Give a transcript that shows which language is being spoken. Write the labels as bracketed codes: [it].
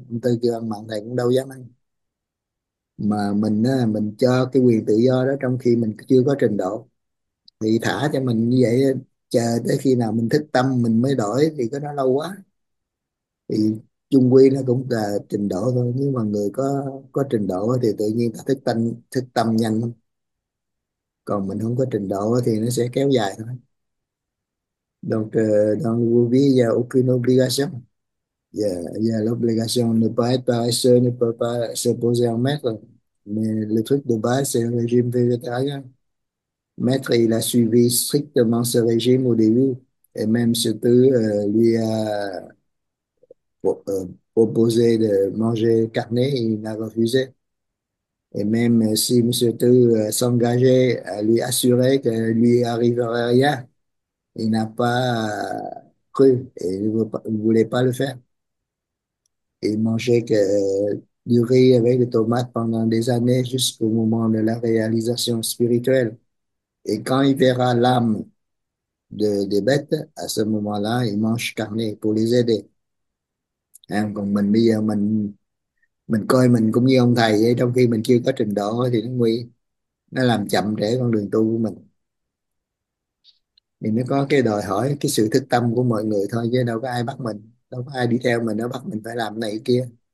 [vi] Ông Tư kêu ăn mặn thầy cũng đâu dám ăn, mà mình cho cái quyền tự do đó trong khi mình chưa có trình độ thì thả cho mình như vậy, chờ tới khi nào mình thức tâm mình mới đổi thì cái đó lâu quá. Thì chung quy nó cũng là trình độ thôi, nhưng mà người có trình độ thì tự nhiên ta thức tâm nhanh lắm. Còn mình không có trình độ thì nó sẽ kéo dài thôi. [fr] Donc, dans vos vies, il n'y a aucune obligation. Il y a l'obligation de ne pas être paresseux, ne peut pas se poser en maître. Mais le truc de base, c'est le régime végétarien. Maître, il a suivi strictement ce régime au début. Et même ce tu lui a proposé de manger carné, il a refusé. Et même si M. Tu s'engageait à lui assurer que lui arriverait rien, il n'a pas cru et il ne voulait pas le faire. Il mangeait que du riz avec des tomates pendant des années jusqu'au moment de la réalisation spirituelle. Et quand il verra l'âme des bêtes, à ce moment-là, il mange carnet pour les aider. Hein? [vi] Còn mình bây giờ mình coi mình cũng như ông thầy ấy, trong khi mình chưa có trình độ thì nó nguy, nó làm chậm trễ con đường tu của mình. Thì nó có cái đòi hỏi cái sự thức tâm của mọi người thôi, chứ đâu có ai bắt mình, đâu có ai đi theo mình nó bắt mình phải làm này kia.